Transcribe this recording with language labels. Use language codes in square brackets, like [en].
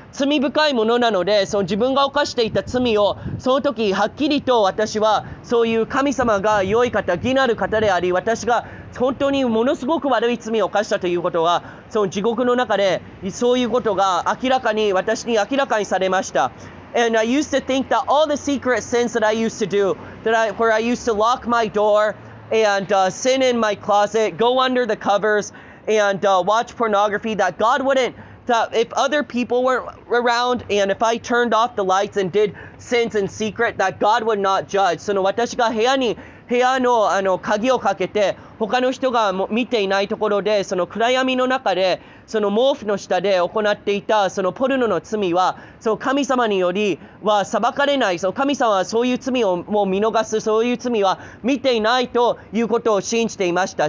[ja] 罪深いものなので、その自分が犯していた罪を、その時はっきりと私はそういう神様が良い方、義なる方であり、私が本当にものすごく悪い罪を犯したということは、その地獄の中でそういうことが明らかに、私に明らかにされました。 [en] And I used to think that all the secret sins that I used to do, where I used to lock my door and、sin in my closet, go under the covers and、watch pornography, that God wouldn't, that if other people weren't around and if I turned off the lights and did sins in secret, that God would not judge. [ja] その私が部屋の、鍵をかけて、他の人が見ていないところで、その暗闇の中で、その毛布の下で行っていた、そのポルノの罪は、その神様によりは裁かれない。その神様はそういう罪をもう見逃す、そういう罪は見ていないということを信じていました。